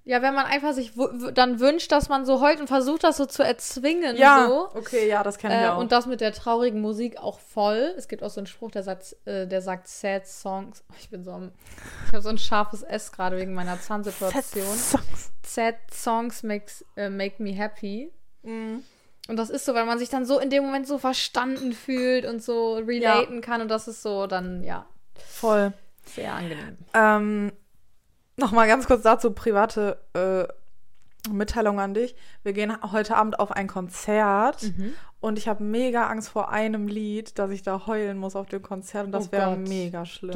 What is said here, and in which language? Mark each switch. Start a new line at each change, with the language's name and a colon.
German: Ja, wenn man einfach sich dann wünscht, dass man so heult und versucht, das so zu erzwingen. Ja, so. Okay, ja, das kenne ich auch. Und das mit der traurigen Musik auch voll. Es gibt auch so einen Spruch, der sagt
English: Sad Songs.
German: Ich bin so am, ich habe so ein scharfes S gerade wegen meiner Zahnsituation.
English: Sad Songs makes, make me happy. Mhm.
German: Und das ist so, weil man sich dann so in dem Moment so verstanden fühlt und so relaten kann. Und das ist so dann, ja. Voll. Sehr angenehm. Nochmal ganz kurz dazu, private Mitteilung an dich. Wir gehen heute Abend auf ein Konzert. Und ich habe mega Angst vor einem Lied, dass ich da heulen muss auf dem Konzert. Und das wäre mega schlimm.